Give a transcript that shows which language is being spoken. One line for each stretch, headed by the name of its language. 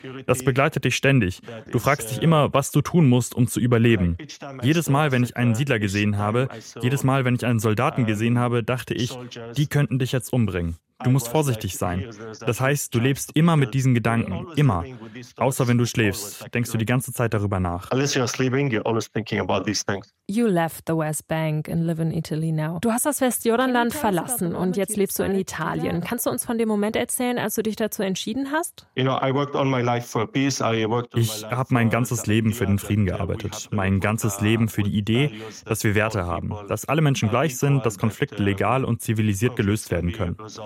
German: Das begleitet dich ständig. Du fragst dich immer, was du tun musst, um zu überleben. Jedes Mal, wenn ich einen Siedler gesehen habe, jedes Mal, wenn ich einen Soldaten gesehen habe, dachte ich, die könnten dich jetzt umbringen. Du musst vorsichtig sein. Das heißt, du lebst immer mit diesen Gedanken, immer. Außer wenn du schläfst, denkst du die ganze Zeit darüber nach.
English: You left the West Bank and live in Italy now.
German: Du hast das Westjordanland verlassen und jetzt lebst du in Italien. Kannst du uns von dem Moment erzählen, als du dich dazu entschieden hast? Ich habe mein ganzes Leben für den Frieden gearbeitet. Mein ganzes Leben für die Idee, dass wir Werte haben. Dass alle Menschen gleich sind, dass Konflikte legal und zivilisiert gelöst werden können.